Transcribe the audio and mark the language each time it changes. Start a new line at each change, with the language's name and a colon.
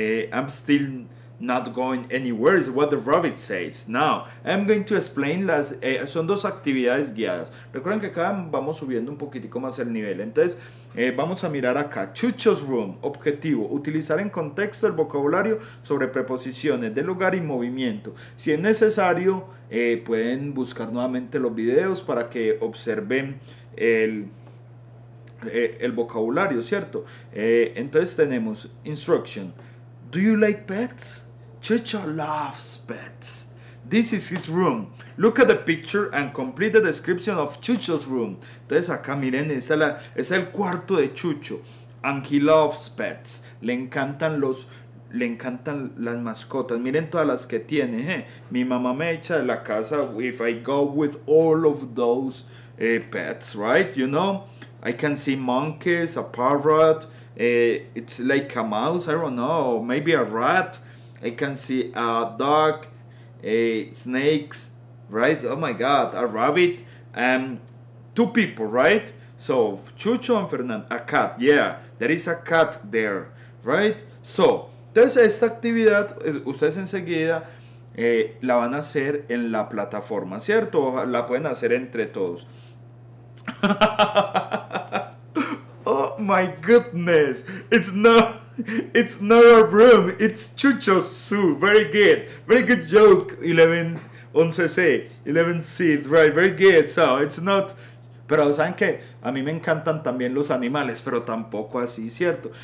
English: I'm still not going anywhere is what the rabbit says. Now, I'm going to explain
Spanish: las. Son dos actividades guiadas. Recuerden que acá vamos subiendo un poquitico más el nivel. Entonces, vamos a mirar acá. Chucho's room, objetivo. Utilizar en contexto el vocabulario sobre preposiciones de lugar y movimiento. Si es necesario, pueden buscar nuevamente los videos para que observen el vocabulario, ¿cierto? Entonces, tenemos
English: instruction. Do you like pets? Chucho loves pets. This is his room. Look at the picture and complete the description of Chucho's room.
Spanish: Entonces acá miren, es el cuarto de Chucho.
English: And he loves pets.
Spanish: Le encantan las mascotas. Miren todas las que tiene. Mi mamá me echa de la casa
English: if I go with all of those pets, right? You know, I can see monkeys, a parrot. It's like a mouse, I don't know, maybe a rat. I can see a dog, snakes, right? Oh my god, a rabbit, two people, right? So Chucho and Fernando, a cat, yeah, there is a cat there, right?
Spanish: So, entonces esta actividad, ustedes enseguida la van a hacer en la plataforma, ¿cierto? La pueden hacer entre todos.
English: My goodness, it's not a room, it's Chucho's zoo. Very good, very good joke. 11th, right? Very good. So it's not,
Spanish: pero saben que a mí me encantan también los animales, pero tampoco así, cierto.